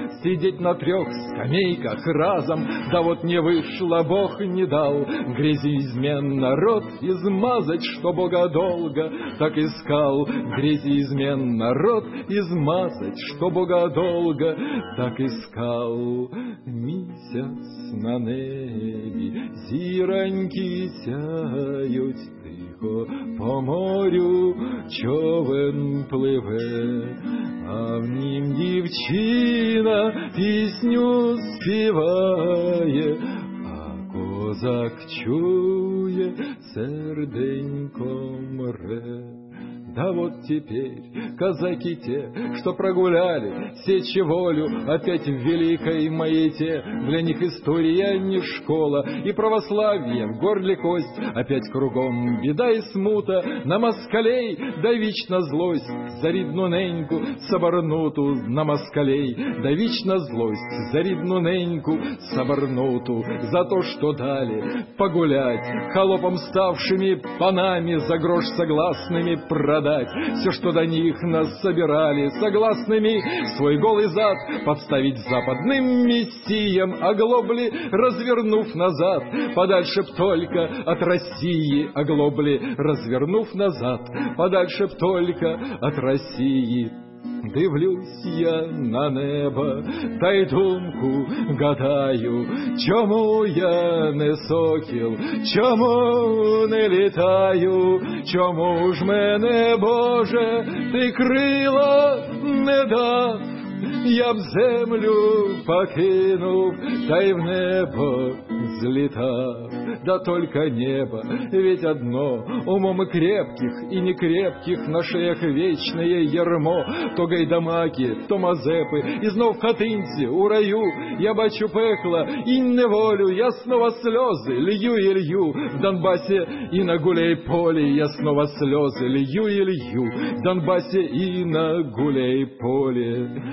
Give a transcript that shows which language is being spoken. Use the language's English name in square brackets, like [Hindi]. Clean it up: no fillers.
[Russian] Сидеть на трех скамейках разом, да вот не вышло, Бог не дал, в грязи измен народ измазать, что Бога долго так искал. В грязи измен народ измазать, что Бога долго так искал. [Ukrainian] Місяць на небі зіроньки сяють тихо, по морю човен пливе, а в нім дівчина пісню співає, а козак чує, серденько мре. [Russian] Да вот теперь казаки те, что прогуляли сечи волю, опять в великой маете, для них история не школа, и православие в горле кость, опять кругом беда и смута, на москалей да вечно злость, за ридну неньку соборнуту, на москалей да вечно злость, за ридну неньку соборнуту, за то, что дали погулять холопам, ставшими панами, за грош согласными продать. Все, что до них нас собирали, согласными свой голый зад подставить западным мессиям, оглобли, развернув назад, подальше б только от России, оглобли, развернув назад, подальше б только от России. [Ukrainian] Дивлюсь я на небо, та й думку гадаю, чому я не сокіл, чому не літаю, чому ж мене, Боже, ти крила не дав, я б землю покинув, та й в небо злітав. [Russian] Да только небо, ведь одно, умом и крепких, и некрепких, на шеях вечное ярмо, то гайдамаки, то мазепы, и знов хатынцы, у раю, [Ukrainian] я бачу пекло, [Russian] и неволю, я снова слезы лью и лью, в Донбассе и на Гуляйполе, я снова слезы лью и лью, в Донбассе и на Гуляйполе.